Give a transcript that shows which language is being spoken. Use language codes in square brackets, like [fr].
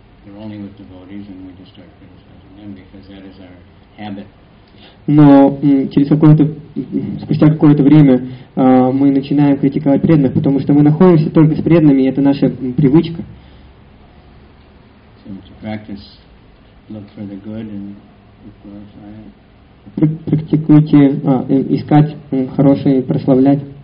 [en] They're only with devotees and we just start criticizing them because that is our habit. [ru] Но через какое-то спустя какое-то время мы начинаем критиковать преданных, потому что мы находимся только с преданными, и это наша привычка. [en] So to practice, look for the good and glorify it. [ru] Практикуйте искать хорошее и прославлять.